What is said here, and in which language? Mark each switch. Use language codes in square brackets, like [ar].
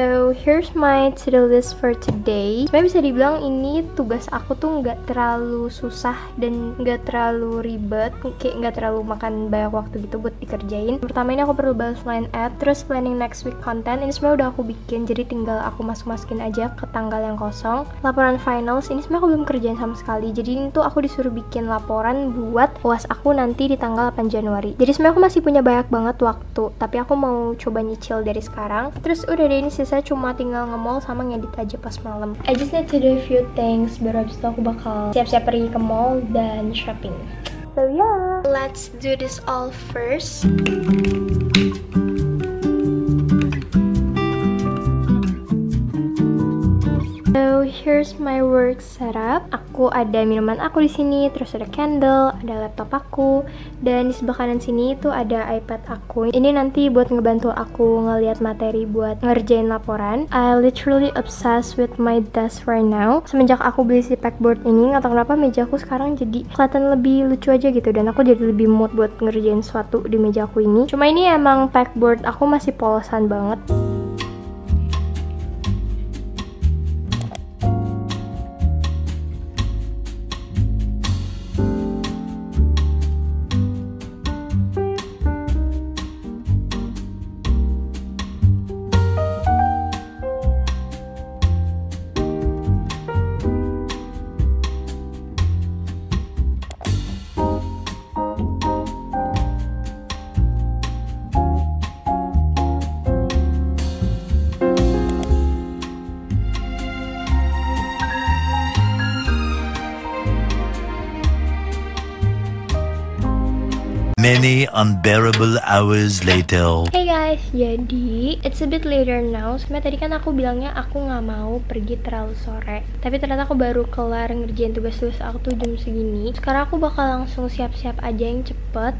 [en] Here's my to-do list for today. [id] Sebenernya bisa dibilang ini tugas aku tuh gak terlalu susah dan gak terlalu ribet, kayak gak terlalu makan banyak waktu gitu buat dikerjain. Pertama ini aku perlu balas line ad, terus [en] planning next week content. [id] Ini sebenernya udah aku bikin, jadi tinggal aku masuk-masukin aja ke tanggal yang kosong. Laporan finals, ini sebenernya aku belum kerjain sama sekali. Jadi ini tuh aku disuruh bikin laporan buat UAS aku nanti di tanggal 8 Januari. Jadi sebenernya aku masih punya banyak banget waktu, tapi aku mau coba nyicil dari sekarang. Terus udah deh, ini sisa cuma tinggal nge-mall sama ngedit aja pas malam. [en] I just need to do a few things, [id] baru abis itu aku bakal siap-siap pergi ke mall dan shopping. [en] So yeah, let's do this all first. So here's my work setup. [id] Aku ada minuman aku di sini, terus ada candle, ada laptop aku, dan di sebelah kanan sini itu ada iPad aku. Ini nanti buat ngebantu aku ngelihat materi buat ngerjain laporan. [en] I literally obsessed with my desk right now. [id] Semenjak aku beli si pegboard ini, nggak tahu kenapa meja aku sekarang jadi kelihatan lebih lucu aja gitu, dan aku jadi lebih mood buat ngerjain sesuatu di meja aku ini. Cuma ini emang pegboard aku masih polosan banget. [en] many unbearable hours later. Hey guys, [id] jadi [en] it's a bit later now. [id] Sebenarnya tadi kan aku bilangnya aku gak mau pergi terlalu sore, tapi ternyata aku baru kelar ngerjain tugas-tugas aku tuh jam segini. Sekarang aku bakal langsung siap-siap aja yang cepet.